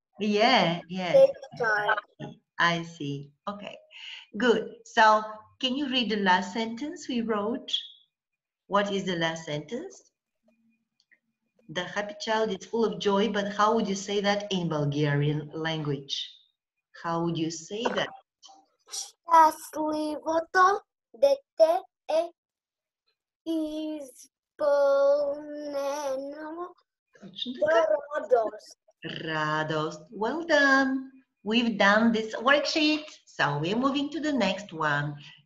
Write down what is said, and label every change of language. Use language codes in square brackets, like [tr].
[en] Yeah. Yeah. I see. Okay. Good. So, can you read the last sentence we wrote? What is the last sentence? The happy child is full of joy, but how would you say that in Bulgarian language? How would you say that? [bg] Щастливото дете е изпълнено радост. [en] Радост. Well done. We've done this worksheet, so we're moving to the next one.